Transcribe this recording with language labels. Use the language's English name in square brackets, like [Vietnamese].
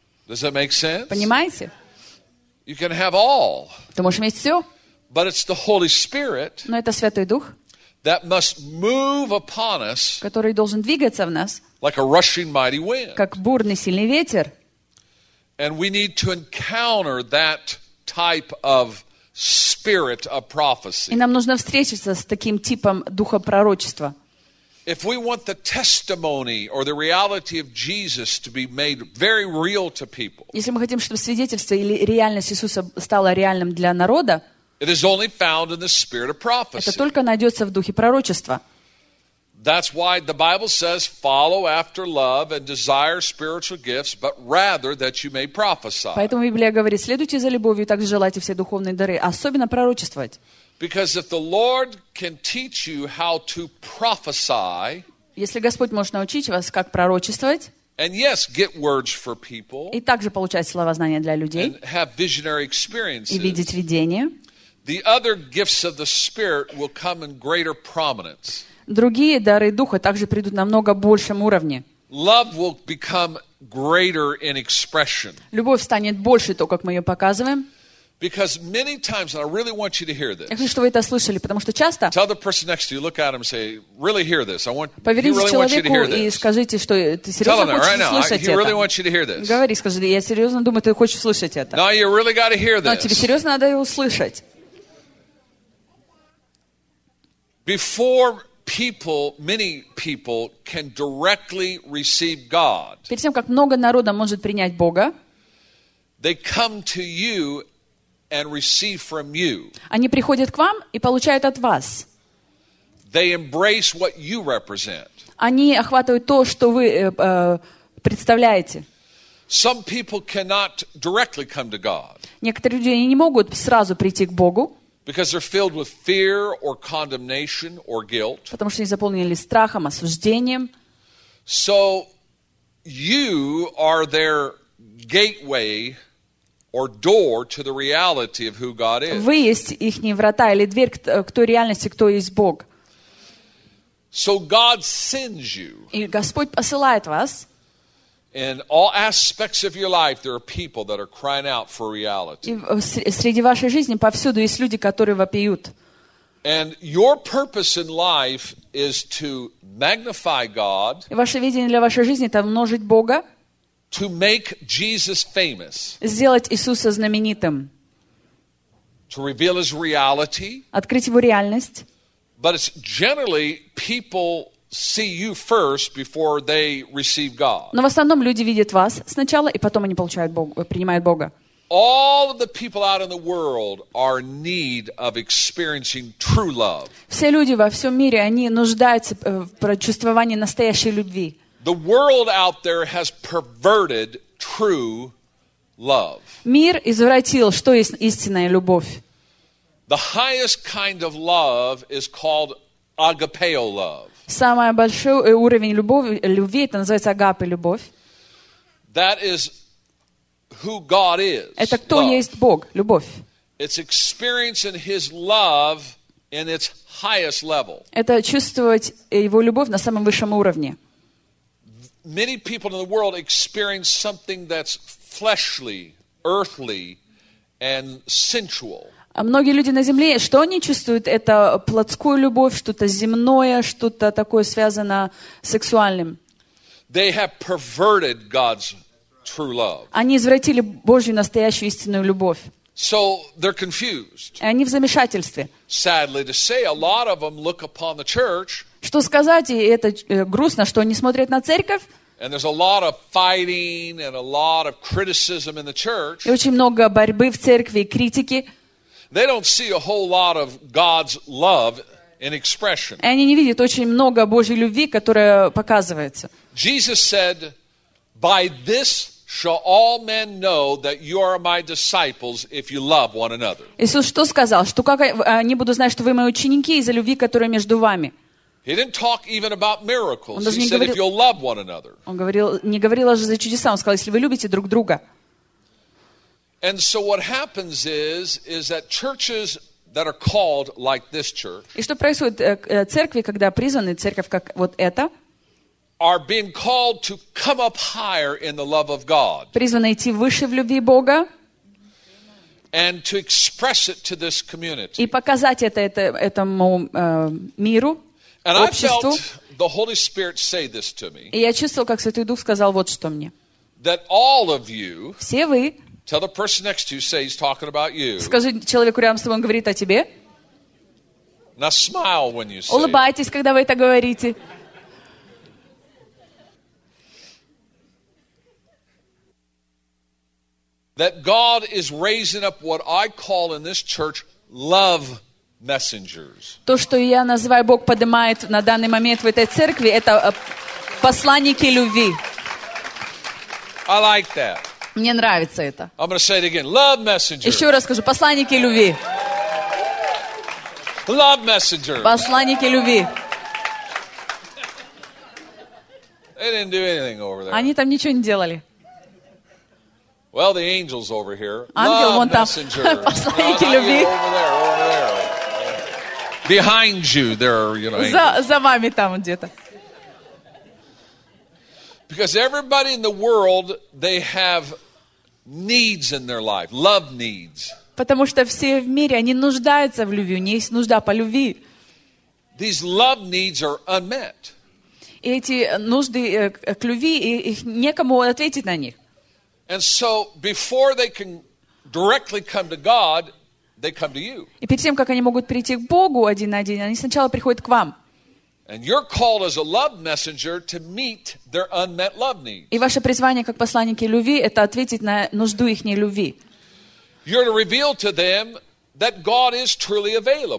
[English] Does that make sense? [Russian] Понимаете? [English] You can have all. [Russian] Ты можешь иметь все. [English] But it's the Holy Spirit. [Russian] Но это Святой Дух. [English] That must move upon us. [Russian] Который должен двигаться в нас. [English] Like a rushing mighty wind. [Russian] Как бурный сильный ветер. [English] And we need to encounter that type of Spirit of prophecy. [Russian] И нам нужно встретиться с таким типом духа пророчества. [English] If we want the testimony or the reality of Jesus to be made very real to people. [Russian] Если мы хотим, чтобы свидетельство или реальность Иисуса стала реальным для народа, [English] it is only found in the Spirit of prophecy. [Russian] Это только найдется в духе пророчества. [English] That's why the Bible says, follow after love and desire spiritual gifts, but rather that you may prophesy. [Russian] Поэтому Библия говорит, следуйте за любовью и также желайте все духовные дары, особенно пророчествовать. [English] Because if the Lord can teach you how to prophesy, [Russian] если Господь может научить вас, как пророчествовать, [English] and yes, get words for people, [Russian] и также получать слова знания для людей, [English] and have visionary experiences, [Russian] и видеть видение, [English] the other gifts of the Spirit will come in greater prominence. [Russian] Другие дары Духа также придут на намного большем уровне. [English] Love will become greater in expression. [Russian] Любовь станет больше, то, как мы ее показываем. [English] Because many times, and I really want you to hear this. [Russian] Я хочу, чтобы вы это слышали, потому что часто... [English] Tell the person next to you, look at him and say, really hear this. I want, [Russian] повернись [English] really [Russian] человеку [English] want you to hear this. [Russian] И скажите, что ты серьезно [English] tell [Russian] хочешь [English] right [Russian] услышать [English] now, [Russian] это. [English] He really wants you to hear this. [Russian] Говори, скажи, я серьезно думаю, ты хочешь услышать это. [English] No, you really got to hear this. [Russian] Но тебе серьезно надо ее услышать. [English] Before... People, many people can directly receive God. [Russian] Перед тем, как много народа может принять Бога, [English] they come to you and receive from you. [Russian] Они приходят к вам и получают от вас. [English] They embrace what you represent. [Russian] Они охватывают то, что вы представляете. [English] Some people cannot directly come to God. [Russian] Некоторые люди не могут сразу прийти к Богу. [English] Because they're filled with fear or condemnation or guilt. [Russian] Потому что они заполнены страхом, осуждением. [English] So you are their gateway or door to the reality of who God is. [Russian] Вы есть ихние врата или дверь к той реальности, кто есть Бог. [English] So God sends you. [Russian] И Господь посылает вас. [English] In all aspects of your life, there are people that are crying out for reality. [Russian] И среди вашей жизни повсюду есть люди, которые вопиют. [English] And your purpose in life is to magnify God. [Russian] И ваше видение для вашей жизни — это умножить Бога. [English] To make Jesus famous. [Russian] Сделать Иисуса знаменитым. [English] To reveal his reality. [Russian] Открыть его реальность. [English] But it's generally people see you first before they receive God. [Russian] Но в основном люди видят вас сначала, и потом они получают Бога, принимают Бога. [English] All of the people out in the world are in need of experiencing true love. [Russian] Все люди во всем мире, они нуждаются в прочувствовании настоящей любви. [English] The world out there has perverted true love. [Russian] Мир извратил, что есть истинная любовь. [English] The highest kind of love is called agapeo love. [Russian] Самый большой уровень любви это называется агапе любовь. [English] That is who God is. [Russian] Это кто есть Бог, любовь. [English] It's experiencing His love in its highest level. [Russian] Это чувствовать Его любовь на самом высшем уровне. [English] Many people in the world experience something that's fleshly, earthly, and sensual. [Russian] А многие люди на земле, что они чувствуют? Это плотскую любовь, что-то земное, что-то такое связано с сексуальным. [English] They have perverted God's true love. [Russian] Они извратили Божью настоящую истинную любовь. [English] So they're confused. [Russian] Они в замешательстве. [English] Sadly to say, a lot of them look upon the church. [Russian] Что сказать, и это грустно, что они смотрят на церковь. И очень много борьбы в церкви и критики. Они не видят очень много Божьей любви, которая показывается. [English] Jesus said, "By this shall all men know that you are my disciples if you love one another." [Russian] Иисус что сказал? Что как они будут знать, что вы мои ученики из-за любви, которая между вами? [English] He didn't talk even about miracles. He said, "If you'll love one another." [Russian] Он говорил, не говорил даже за чудеса. Он сказал, если вы любите друг друга. [English] And so what happens is that churches that are called like this church. [Russian] И что происходит церкви, когда призваны церковь как вот эта? [English] Are being called to come up higher in the love of God. [Russian] Призваны идти выше в любви Бога. [English] And to express it to this community. [Russian] И показать это этому миру. [English] And I felt the Holy Spirit say this to me. [Russian] И я чувствовал, как Святой Дух сказал вот что мне. [English] That all of you. [Russian] Все вы. [English] Tell the person next to you, say he's talking about you. [Russian] Скажи человеку рядом с тобой, он говорит о тебе. [English] Now smile when you say. [Russian] Улыбайтесь, когда вы это говорите. [English] That God is raising up what I call in this church love messengers. [Russian] То, что я называю, Бог поднимает на данный момент в этой церкви, это посланники любви. [English] I like that. [Russian] Мне нравится это. [English] I'm going to say it again. Love messengers. [Russian] Еще раз скажу, посланники любви. [English] Love messengers. [Russian] Посланники любви. [English] They didn't do anything over there. [Russian] Они там ничего не делали. [English] Well, the angels over here. [Russian] Ангел [English] love [Russian] вон там. [English] Messenger. [Russian] Посланники любви. [English] Over there. Behind you, there are, you know, angels. [Russian] За вами там где-то. [English] Because everybody in the world, they have needs in their life, love needs. [Russian] Потому что все в мире они нуждаются в любви, у них есть нужда по любви. [English] These love needs are unmet. [Russian] И эти нужды к любви, их некому ответить на них. [English] And so before they can directly come to God, they come to you. [Russian] И перед тем, как они могут прийти к Богу один на один, они сначала приходят к вам. [English] And you're called as a love messenger to meet their unmet love needs. [Russian] И ваше призвание как посланники любви это ответить на нужду ихней любви. [English] You're to reveal to them that God is truly available.